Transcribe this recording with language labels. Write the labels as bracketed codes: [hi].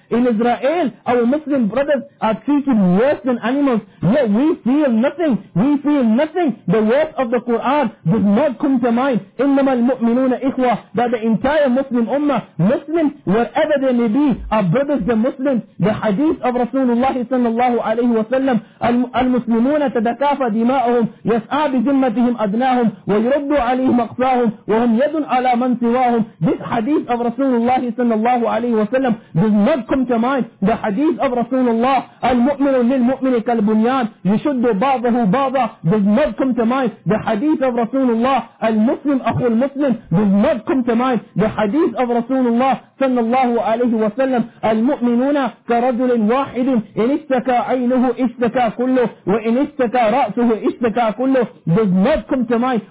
[en] In Israel, our Muslim brothers are treated worse than animals. Yet we feel nothing. We feel nothing. The words of the Quran does not come to mind. [ar] إِنَّمَا الْمُؤْمِنُونَ إِخْوَةً, [en] that the entire Muslim Ummah, Muslims, wherever they may be, are brothers the Muslims. The hadith of Rasulullah sallallahu alayhi wa sallam, [ar] المسلمون تدكافى دماؤهم يسعى بزمتهم أدناهم ويردوا عليهم أقصاهم وهم يد على من سواهم. [en] This hadith of Rasulullah sallallahu alayhi wa sallam does not come to mind. The hadith of Rasulullah, [ar] المؤمن للمؤمن كالبنيان يشد بعضه بعضا, [en] does not come to mind. The hadith of Rasulullah, [ar] المسلم أخو المسلم, [en] does not come to mind. The hadith of Rasulullah sallallahu alayhi wa sallam, [ar] المؤمنون كرجل واحد إن اشتكى عينه اشتكى كله وإن اشتكى رأسه اشتكى كله, [en] does not come to mind.